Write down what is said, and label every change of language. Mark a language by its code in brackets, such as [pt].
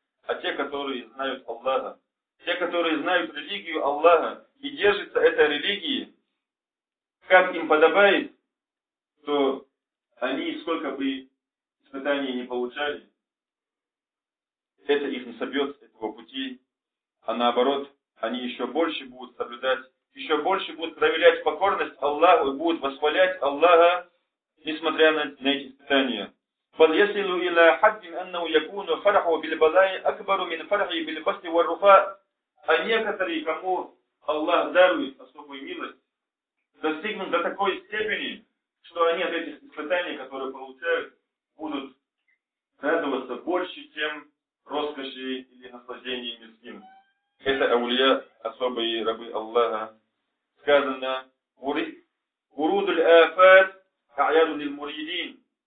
[ru] А те, которые знают Аллаха, те, которые знают религию Аллаха и держатся этой религии, как им подобает, то они, сколько бы испытаний не получали, это их не собьет с этого пути, а наоборот, они еще больше будут соблюдать, еще больше будут проявлять покорность Аллаху и будут восхвалять Аллаха, несмотря на эти испытания. [ar] فليصل إلى حد أنه يكون فرحه بالبلاء أكبر من فرحه بالبسط والرفاء. [ru] А некоторые, кому Аллах дарует особую милость, достигнут до такой степени, что они от этих испытаний, которые получают, будут радоваться больше, чем роскоши или наслаждения мирским. Это аулия, особые рабы Аллаха. Сказано, [ar] уруд аль-афат а'яду лил-муридин.